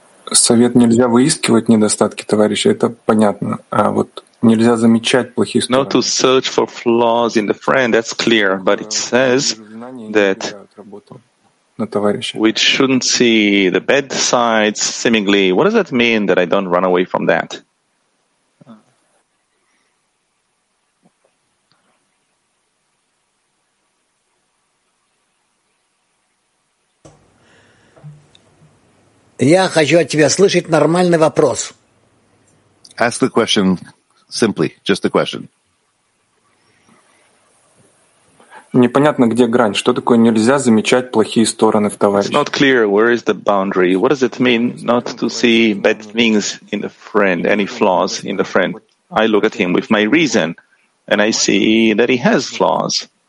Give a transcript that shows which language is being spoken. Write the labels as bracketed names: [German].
[Russian] Совет нельзя выискивать недостатки товарища, это понятно, а вот нельзя замечать плохие стороны. [English] Not to search for flaws in the friend, that's clear, but it says that we shouldn't see the bad sides seemingly. What does that mean, that I don't run away from that? [Russian] Я хочу от тебя слышать нормальный вопрос. [English] Ask the question simply, just the question. [Russian] Непонятно, где грань. Что такое нельзя замечать плохие стороны в товарище? [English] It's not clear where is the boundary. What does it mean not to see bad things in the friend, any flaws in the friend? I look at him with my reason, and I see that he has flaws.